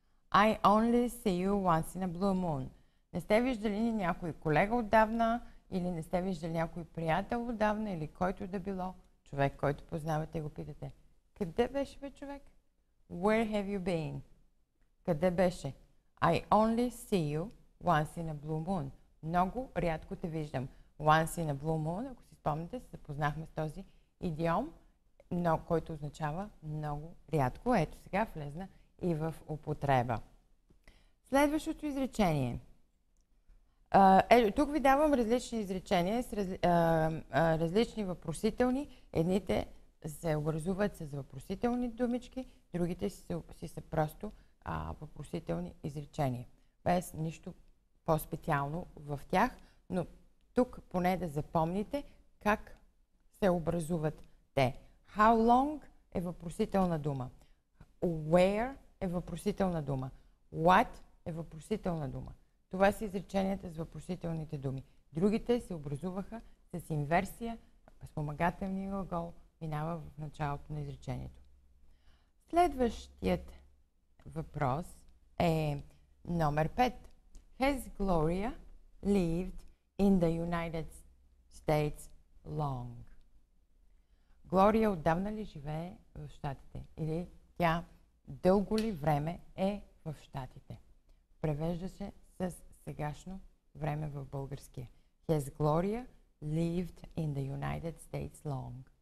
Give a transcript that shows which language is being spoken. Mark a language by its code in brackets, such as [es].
[en] I only see you once in a blue moon. [bg] Не сте виждали ни някой колега отдавна, или не сте виждали някой приятел отдавна, или който да било човек, който познавате и го питате. Къде беше бе човек? [en] Where have you been? [bg] Къде беше? [en] I only see you once in a blue moon. [bg] Много рядко те виждам. [en] Once in a blue moon, [bg] ако си спомните, се запознахме с този идиом, но който означава много рядко. Ето сега влезна и в употреба. Следващото изречение. Тук ви давам различни изречения с различни въпросителни. Едните се образуват с въпросителни думички, другите си са просто въпросителни изречения. Без нищо по-специално в тях, но тук поне да запомните как се образуват те. How long е въпросителна дума. Where е въпросителна дума. What е въпросителна дума. Това са изреченията с въпросителните думи. Другите се образуваха с инверсия, спомагателния глагол минава в началото на изречението. Следващият въпрос е номер 5. [en] Has Gloria lived in the United States long? [bg] Глория отдавна ли живее в Щатите? Или тя дълго ли време е в Щатите? Превежда се с сегашно време в български. [en] Has Gloria lived in the United States long?